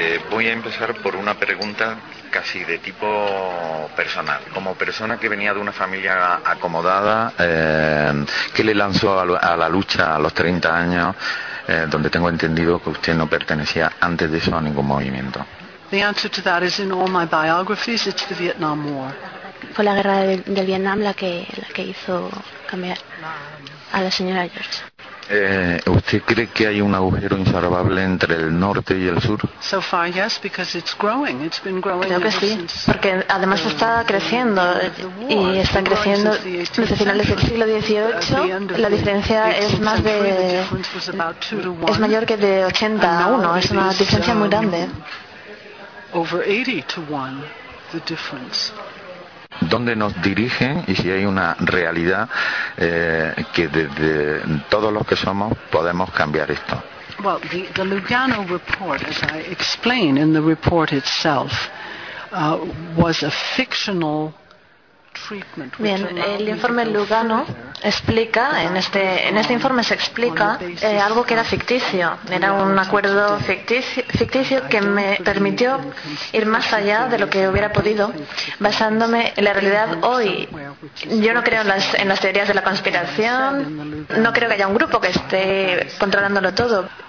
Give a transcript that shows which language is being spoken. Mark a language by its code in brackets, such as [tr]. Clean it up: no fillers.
[es] Voy a empezar por una pregunta casi de tipo personal. Como persona que venía de una familia acomodada, ¿qué le lanzó a la lucha a los 30 años? Donde tengo entendido que usted no pertenecía antes de eso a ningún movimiento. [en] The answer to that is in all my biographies, it's the Vietnam War. [es] Fue la guerra del Vietnam la que hizo cambiar a la señora George. ¿Usted cree que hay un agujero insalvable entre el norte y el sur? [en] So far, yes, because it's growing. It's been growing. [es] Creo que sí, porque además está creciendo y está creciendo desde finales del siglo XVIII. La diferencia es mayor que de 80 a 1. Es una diferencia muy grande. [en] Over 80 to 1, the difference. [es] ¿Dónde nos dirigen y si hay una realidad que desde todos los que somos podemos cambiar esto? [en] Well, the Lugano report, as I explain in the report itself, was a fictional treatment. [es] Bien, el informe Lugano explica, en este informe se explica algo que era ficticio. Era un acuerdo ficticio que me permitió ir más allá de lo que hubiera podido, basándome en la realidad hoy. Yo no creo en las teorías de la conspiración, no creo que haya un grupo que esté controlándolo todo.